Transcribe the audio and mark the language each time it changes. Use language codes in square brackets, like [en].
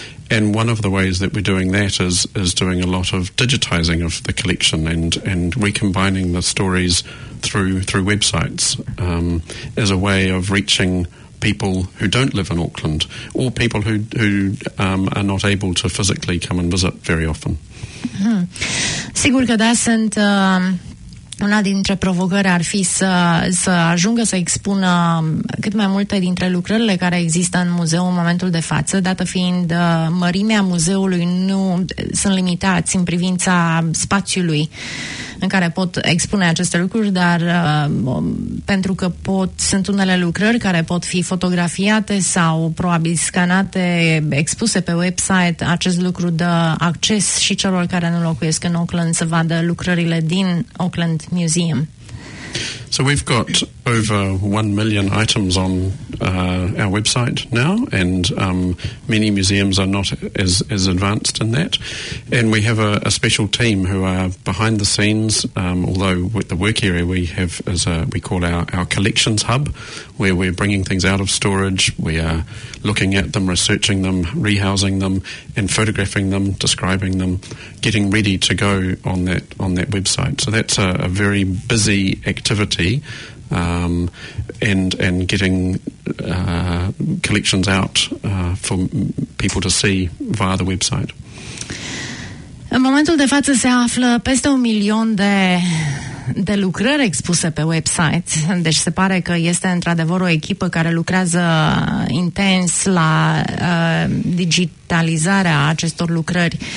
[en] And one of the ways that we're doing that is doing a lot of digitising of the collection and recombining the stories through websites as a way of reaching people who don't live in Auckland or people who are not able to physically come and visit very often. [ro] Mm-hmm. Sigur că da, sunt... Una dintre provocări ar fi să ajungă să expună cât mai multe dintre lucrările care există în muzeu în momentul de față, dată fiind mărimea muzeului, nu sunt limitați în privința spațiului în care pot expune aceste lucruri, dar pentru că sunt unele lucrări care pot fi fotografiate sau probabil scanate, expuse pe website, acest lucru dă acces și celor care nu locuiesc în Auckland să vadă lucrările din Auckland Museum. [en] So we've got over 1 million items on our website now, and many museums are not as advanced in that. And we have a special team who are behind the scenes, although with the work area we have is we call our collections hub, where we're bringing things out of storage, we are looking at them, researching them, rehousing them, and photographing them, describing them, getting ready to go on that website. So that's a very busy activity. And getting collections out for people to see via the website. [ro] În momentul de față se află peste 1 milion de lucrări expuse pe website. Deci se pare că este într-adevăr o echipă care lucrează intens la digitalizarea acestor lucrări.